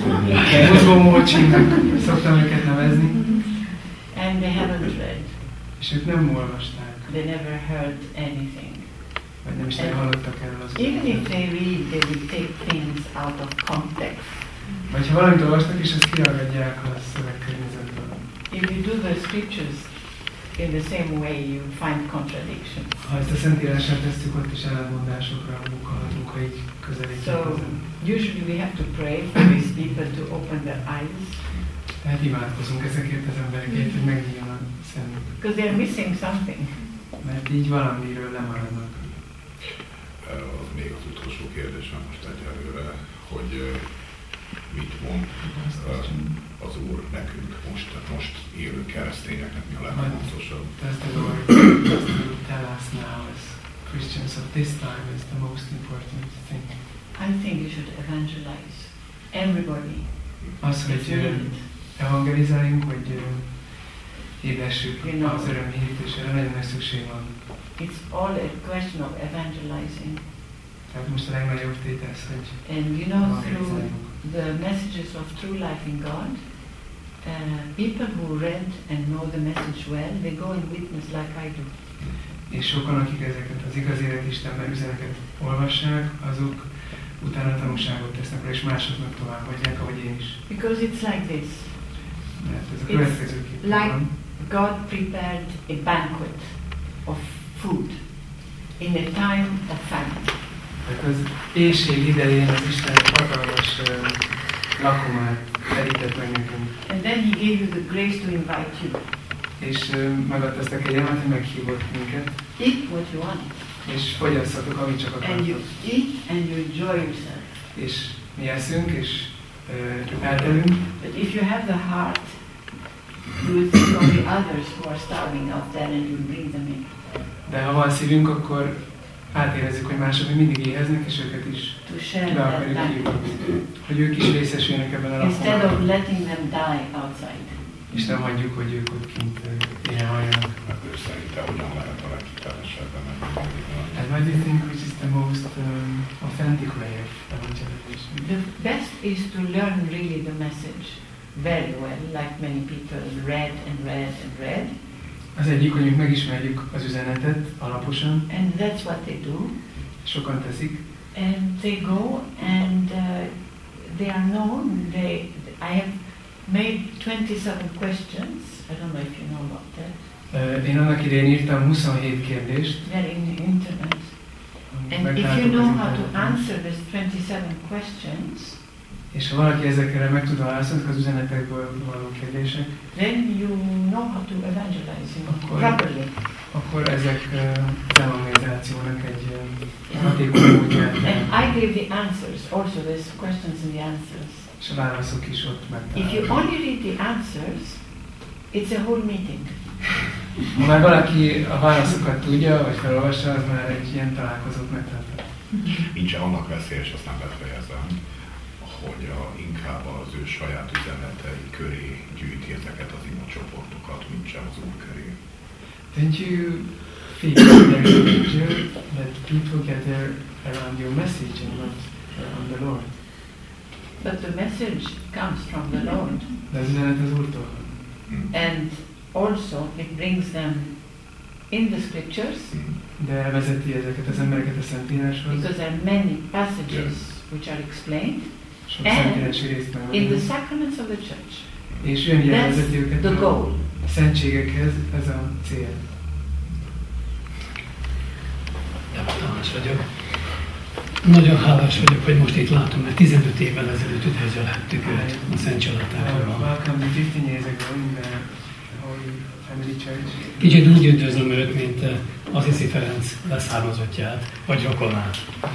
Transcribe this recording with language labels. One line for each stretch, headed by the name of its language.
Hungarian: Buzgómócsinak szoktam őket nevezni.
English: And they haven't read.
Hungarian: És ők nem olvasták.
English: They never heard anything.
Hungarian: Vagy nem is nem hallottak erről az
English: Even if they read, they would take things out of context.
Hungarian: Vagy ha valamit olvastak, és ezt kiragadják a szövegkörnyezetből.
English: If you do the scriptures in the same way, you find contradictions.
Hungarian: Ha ezt a Szentírással tesszük, ott is ellentmondásokra munkálhatunk, ha így közelítjük.
English: So, usually we have to pray for these people to open their eyes.
Hungarian: Tehát imádkozunk ezekért az emberekért, hogy megnyíljon a szemük.
English: Because they are missing something.
Hungarian: Mert így valamiről lemaradnak. Az még az utolsó kérdésem most egyelőre, hogy mit mond az Úr nekünk most, tehát most élő keresztényeknek mi a legfontosabb.
English: Does the Lord tell us now as Christians of this time is the most important thing? I think you should evangelize everybody.
Hungarian: Az, hogy evangelizáljunk, hogy hirdessük az örömhírt, és erre nagyon nagy szükség van.
English: It's all a question of evangelizing.
Hungarian: Tehát most a legnagyobb tétel, hogy
English: and you know, through the messages of true life in God, people who read and know the message well, they go and witness like I do.
Hungarian: És sokan, akik ezeket az igaz élet Istenben üzeneket olvassák, azok utána tanúságot tesznek rá, és másoknak továbbadják, ahogy én is.
English: Because it's like this.
Hungarian: Ez a
English: like God prepared a banquet of food in a time of famine.
Hungarian: Tehát az éjség idején az Isten hatalmas lakomát terített meg nekünk.
English: And then he gave you the grace to invite you.
Hungarian: És megadta ezt a kegyelmet, hogy meghívott minket.
English: Eat what you want.
Hungarian: És fogyasszatok, amit csak akartok.
English: And you eat and you enjoy yourself.
Hungarian: És mi eszünk, és eltelünk.
English: But if you have the heart, you will think of the others who are starving out there and you bring them in.
Hungarian: De ha van szívünk, akkor átérezzük, hogy mások mindig éheznek, és őket is
English: to share
Hungarian: be akarjuk hívni. Hogy ők is részesüljenek ebben a lakomban. Instead of letting them die outside. És nem hagyjuk, hogy ők ott kint éhen halljanak. Mert ő szerinte hogyan lehet a legkitelesebben megmondani.
English: And what do you think which is the most authentic way of evangelization? The best is to learn really the message very well, like many people read and read and read.
Hungarian: Az egyik, hogy megismerjük az üzenetet alaposan.
English: And that's what they do.
Hungarian: Sokan teszik.
English: And they go and they are known. I have made 27 questions. I don't know if you know about that.
Hungarian: Én annak idején írtam 27 kérdést.
English: They're in the internet. And if you know how to answer these 27 questions,
Hungarian: és ha valaki ezekre meg tud válaszolni az üzenetekből való kérdések,
English: then you know how to evangelize properly.
Hungarian: Akkor ezek az evangelizációnak egy hatékony módja.
English: And I gave the answers, also the questions and the answers.
Hungarian: És a válaszok is ott megtalálják.
English: If you only read the answers, it's a whole meeting.
Hungarian: Ha már valaki a válaszokat tudja, vagy felolvassa, az már egy ilyen találkozót megtartja. Nincs-e annak veszélyes, aztán befejezem, hogy inkább az ő saját üzenetei köré gyűjti ezeket az ima csoportokat, mint sem az Úr köré.
English: Don't you think that people gather around your message and not around the Lord? But the message comes from the Lord.
Hungarian: De az üzenet az Úrtól.
English: And also it brings them in the scriptures.
Hungarian: De elvezeti ezeket az embereket a Szentíráshoz.
English: Because there are many passages which are explained. And in the sacraments of the church.
Hungarian: És jön jelvezeti őket
English: the goal.
Hungarian: A szentségekhez, ez a cél. Jó, Tamás vagyok. Nagyon hálás vagyok, hogy most itt látom, mert 15 évvel ezelőtt üdvözve lettük őt a Szent Családtáborban.
English: Welcome to 15 years ago in the Holy Family Church.
Hungarian: Kicsit úgy üdvözlöm őt, mint Assisi Ferenc leszármazottját, vagy rokonát.